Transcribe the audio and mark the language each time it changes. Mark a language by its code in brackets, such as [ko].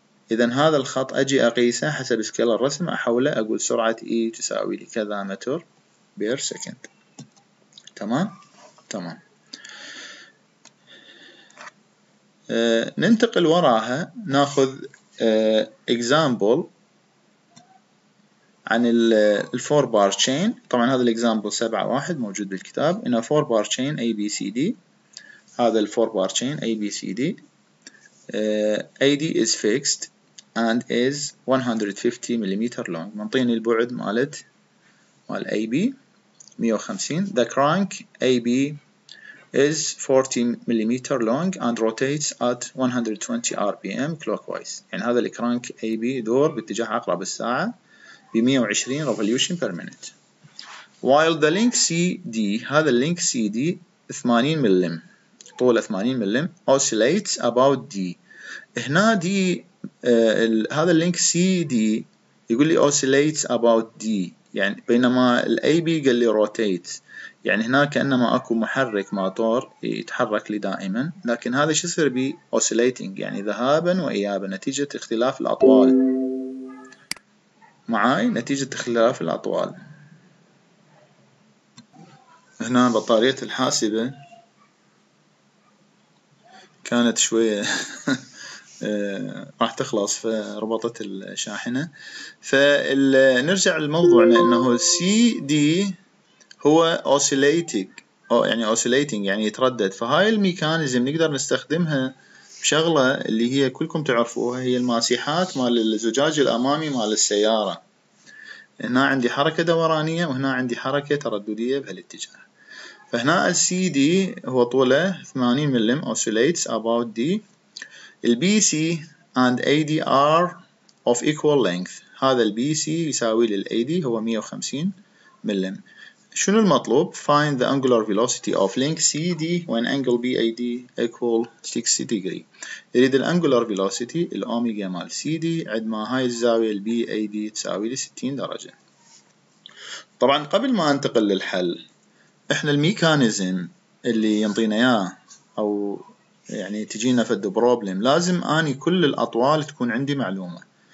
[ar] إذن هذا الخط أجي أقيسه حسب سكيل الرسم، أحوله أقول سرعة E تساوي لكذا متر بير سكند. تمام. ننتقل وراها نأخذ example عن ال 4 bar chain. طبعا هذا الاكزامبل 7-1 موجود بالكتاب. إن 4 bar chain ABCD، هذا ال 4 bar chain ABCD. [en] AD is fixed and is 150 millimeter long. [ar] منطيني البعد مالت مال AB 150. [en] The crank AB is 40 millimeter long and rotates at 120 rpm clockwise. [ar] يعني هذا الكرانك AB دور باتجاه عقرب الساعة ب 120 [en] revolution per minute. While the link CD، [ar] هذا اللينك CD 80 ملم، طول 80 ملم، [en] oscillates about D. [ar] هنا D هذا اللينك CD يقول لي oscillates about D، يعني بينما الـ AB قال لي rotates، يعني هنا كأنما أكو محرك موتور يتحرك لدائما، لكن هذا شو يصير بي oscillating، يعني ذهابا وإيابا نتيجة اختلاف الأطوال. معاي نتيجة اختلاف الأطوال. هنا بطارية الحاسبة كانت شوية راح تخلص فربطت الشاحنة. فنرجع لموضوعنا أنه CD هو oscillating، يعني oscillating يعني يتردد. فهاي الميكانيزم نقدر نستخدمها بشغلة اللي هي كلكم تعرفوها، هي الماسحات مال الزجاج الأمامي مال السيارة. هنا عندي حركة دورانية وهنا عندي حركة ترددية بهالاتجاه. فهنا CD هو طوله 80 ملم oscillates about D. [en] BC and AD are of equal length. [ar] هذا BC يساوي لل AD هو 150 ملم. شنو المطلوب؟ [en] Find the angular velocity of link CD when angle BAD equal 60 degree. [ar] يريد الـ angular velocity الـ omega مال CD عندما هاي الزاوية الـ BAD تساوي لـ 60 درجة. طبعا قبل ما انتقل للحل، احنا الميكانيزم اللي ينطينا اياه او يعني تجينا في الـ problem لازم اني كل الاطوال تكون عندي معلومة.